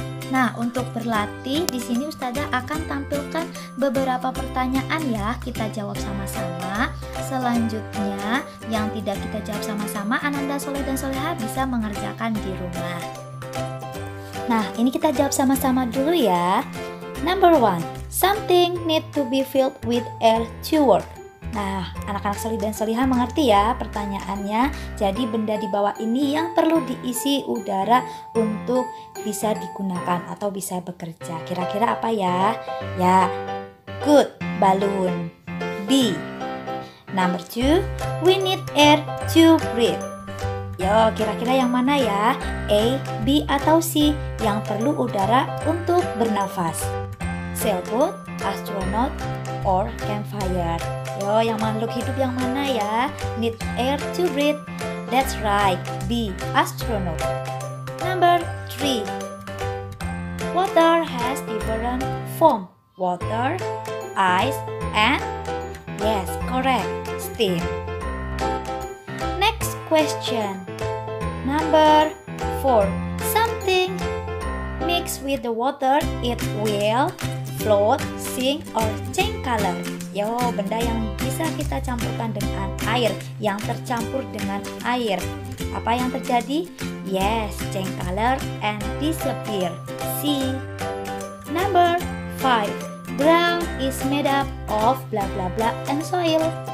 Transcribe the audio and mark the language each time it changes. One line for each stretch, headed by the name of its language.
Indonesian: Nah, untuk berlatih, di sini Ustazah akan tampilkan beberapa pertanyaan ya, kita jawab sama-sama. Selanjutnya, yang tidak kita jawab sama-sama, Ananda, Soleh, dan Soleha bisa mengerjakan di rumah. Nah, ini kita jawab sama-sama dulu ya.
English: Number 1, something need to be filled with air to work.
Indonesian: Nah, anak-anak Soleh dan Soleha mengerti ya pertanyaannya. Jadi benda di bawah ini yang perlu diisi udara untuk bisa digunakan atau bisa bekerja. Kira-kira apa ya? Ya, good, balloon. B.
English: Number 2, we need air to breathe.
Indonesian: Yo, kira-kira yang mana ya? A, B, atau C yang perlu udara untuk bernafas?
English: Sailboat, astronaut, or campfire?
Indonesian: Yo, yang makhluk hidup yang mana ya?
English: Need air to breathe. That's right, B, astronaut. Number 3, water has different form. Water, ice, and yes, correct, steam. Next question. Number 4, something mixed with the water, it will float, sink, or change color.
Indonesian: Yo, benda yang bisa kita campurkan dengan air, yang tercampur dengan air. Apa yang terjadi?
English: Yes, change color and disappear. C. Number 5, ground is made up of blah blah blah and soil.